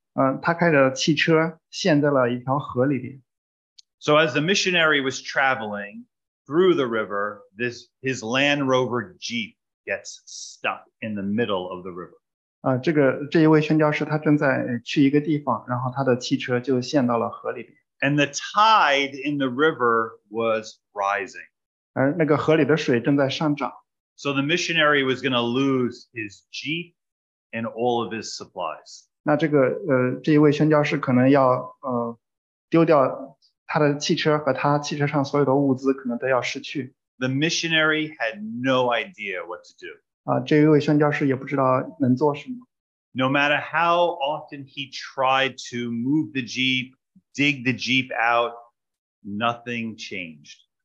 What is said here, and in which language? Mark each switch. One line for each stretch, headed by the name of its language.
Chinese: 有一个宣教士，他开着汽车陷在了一条河里边。
English: So as the missionary was traveling through the river, his Land Rover Jeep gets stuck in the middle of the river.
Chinese: 这一位宣教士他正在去一个地方，然后他的汽车就陷到了河里边。
English: And the tide in the river was rising.
Chinese: 而那个河里的水正在上涨。
English: So the missionary was going to lose his Jeep and all of his supplies.
Chinese: 那这个这一位宣教士可能要丢掉。
English: The missionary had no idea what to do.
Chinese: 这位宣教士也不知道能做什么。
English: No matter how often he tried to move the Jeep, dig the Jeep out, nothing changed.